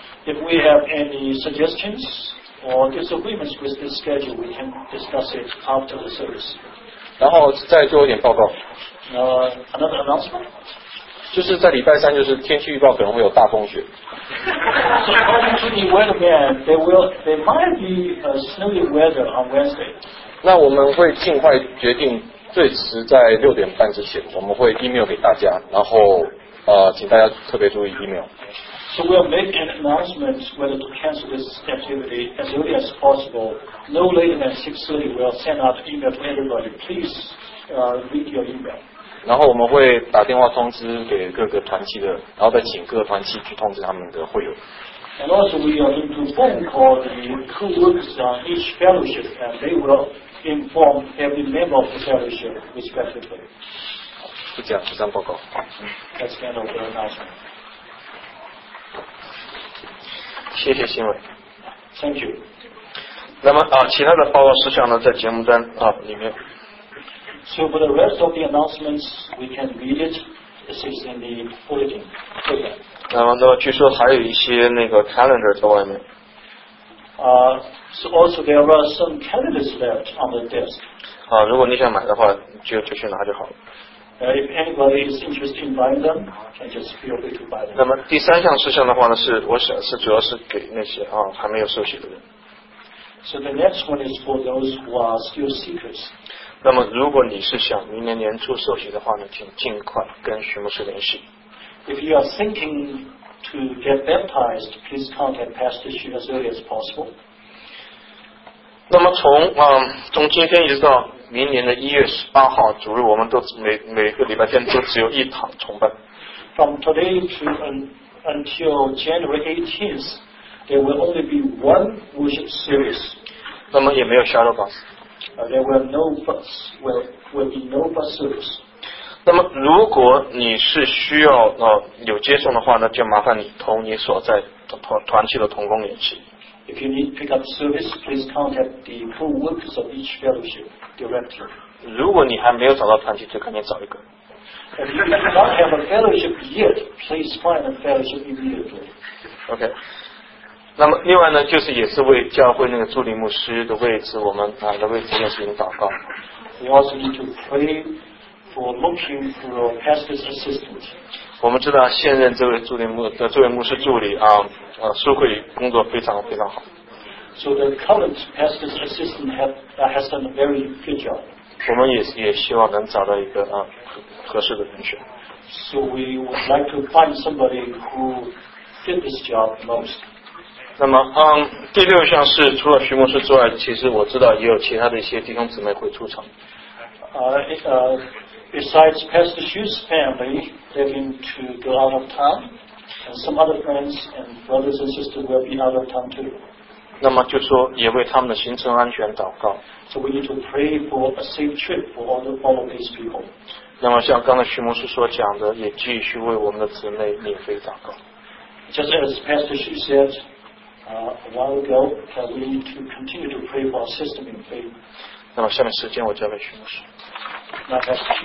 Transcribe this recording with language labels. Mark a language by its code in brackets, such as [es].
[en] If we have any suggestions or disagreements with this schedule, we can discuss it after the service. [zh] 然后再做一点报告。 [en] Another announcement. [zh] 就是在礼拜三，就是天气预报可能会有大风雪。 [en] So according to the weatherman, there might be a snowy weather on Wednesday. [zh] 那我们会尽快决定，最迟在6:30之前，我们会 email 给大家，然后请大家特别注意 email. [en] So we'll make an announcement whether to cancel this activity as early as possible. No later than 6:30, we'll send out email to everybody. Please read your email. [zh] 然后我们会打电话通知给各个团契的，然后再请各个团契去通知他们的会友。 [en] And also we are going to phone call the co-workers on each fellowship, and they will inform every member of the fellowship respectively. [zh] 就这样，这张报告。 [en] That's the end of the announcement. [zh] 谢谢新伟。 [en] Thank you. [zh] 那么其他的报告事项呢，在节目单里面。 [en] So for the rest of the announcements, we can read it. This is in the bulletin. [zh] Okay. 那么据说还有一些那个 calendar 在外面。 [en] So also there are some calendars left on the desk. [zh] 好，如果你想买的话，就去拿就好了。 [en] If anybody is interested in buying them, can just feel free to buy them. [zh] 那么第三项事项的话呢，是我想是主要是给那些还没有受洗的人。 [en] So the next one is for those who are still seekers. [zh] 那么如果你是想明年年初受洗的话呢，请尽快跟徐牧师联系。 [en] If you are thinking to get baptized, please contact Pastor Xu as early as possible. [zh] 那么从今天一直到明年的1月18号，主日我们都每个礼拜天都只有一堂崇拜。 [en] From today to until January 18th, there will only be one worship service. [zh] 那么也没有 shadow bus. [en] There will no bus. Will be no bus service. [zh] 那么，如果你是需要有接送的话呢，就麻烦你同你所在团契的同工联系。 [en] If you need pickup service, please contact the co-workers of each fellowship directly. [zh] 如果你还没有找到团契，就赶紧找一个。 [en] If you do not have a fellowship yet, please find a fellowship immediately. Okay. [zh] 那么另外呢，就是也是为教会那个助理牧师的位置，我们的位置进行祷告。 [en] We also need to pray for looking for pastor's assistant. [zh] 我们知道现任这位助理牧的这位牧师助理苏慧工作非常非常好。 [en] So the current pastor's assistant has done a very good job. [zh] 我们也希望能找到一个合适的人选。 [en] So we would like to find somebody who fit this job most. [zh] 那么第六项是除了徐牧师之外，其实我知道也有其他的一些弟兄姊妹会出场。 [en] Besides Pastor Xu's family having to go out of town, and some other friends and brothers and sisters will be out of town too. [zh] 那么就说也为他们的行程安全祷告。 [en] So we need to pray for a safe trip for all of these people. [zh] 那么像刚才徐牧师所讲的，也继续为我们的姊妹免费祷告。 [en] Just as Pastor Xu said,a while ago, we need to continue to pray for our system in faith. [zh] 那么下面时间我交给徐牧师。那开始。